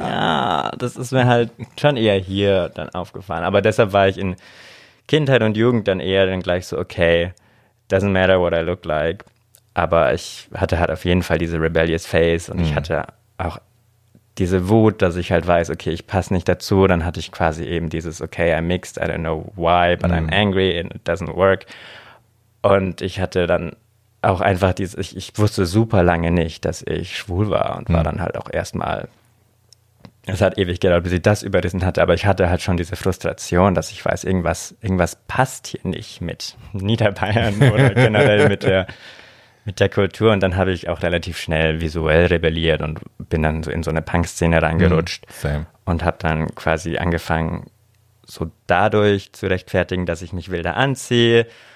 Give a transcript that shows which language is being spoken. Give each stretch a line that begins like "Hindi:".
German: Ja, das ist mir halt schon eher hier dann aufgefallen. Aber deshalb war ich in Kindheit und Jugend dann eher dann gleich so, okay,
English: doesn't matter what I look like.
German: Aber ich hatte halt auf jeden Fall diese
English: rebellious face
German: und ich hatte auch diese Wut, dass ich halt weiß, okay, ich passe nicht dazu. Dann hatte ich quasi eben dieses, okay,
English: I'm mixed, I don't know why, but I'm angry and it doesn't work.
German: Und ich hatte dann auch einfach dieses, ich wusste super lange nicht, dass ich schwul war und war dann halt auch erstmal, es hat ewig gedauert, bis ich das überrissen hatte, aber ich hatte halt schon diese Frustration, dass ich weiß, irgendwas passt hier nicht mit Niederbayern oder generell mit der Kultur und dann habe ich auch relativ schnell visuell rebelliert und bin dann so in so eine Punk-Szene reingerutscht und habe dann quasi angefangen, so dadurch zu rechtfertigen, dass ich mich wilder anziehe